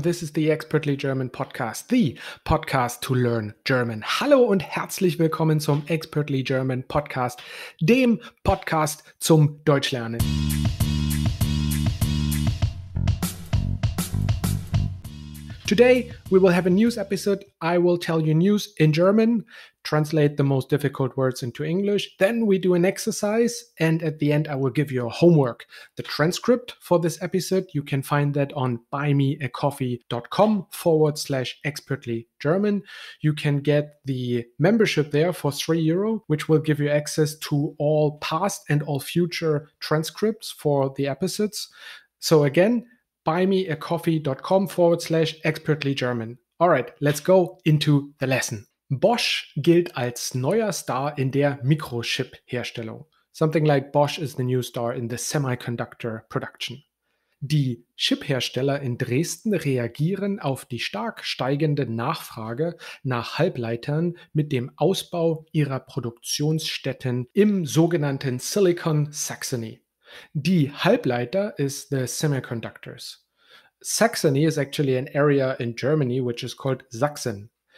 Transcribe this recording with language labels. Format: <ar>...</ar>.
<en>This is the Expertly German Podcast, the podcast to learn German.</en> <de>Hallo und herzlich willkommen zum Expertly German Podcast, dem Podcast zum Deutschlernen.</de> <en>Today we will have a news episode. I will tell you news in German, translate the most difficult words into English. Then we do an exercise, and at the end I will give you a homework. The transcript for this episode, you can find that on buymeacoffee.com/expertlygerman. You can get the membership there for €3, which will give you access to all past and all future transcripts for the episodes. So again, buymeacoffee.com/expertlygerman. All right, let's go into the lesson.</en> <de>Bosch gilt als neuer Star in der Mikrochip-Herstellung.</de> <en>Something like Bosch is the new star in the semiconductor production.</en> <de>Die Chip-Hersteller in Dresden reagieren auf die stark steigende Nachfrage nach Halbleitern mit dem Ausbau ihrer Produktionsstätten im sogenannten Silicon Saxony.</de> <en>Die Halbleiter is the semiconductors. Saxony is actually an area in Germany, which is called Sachsen.</en>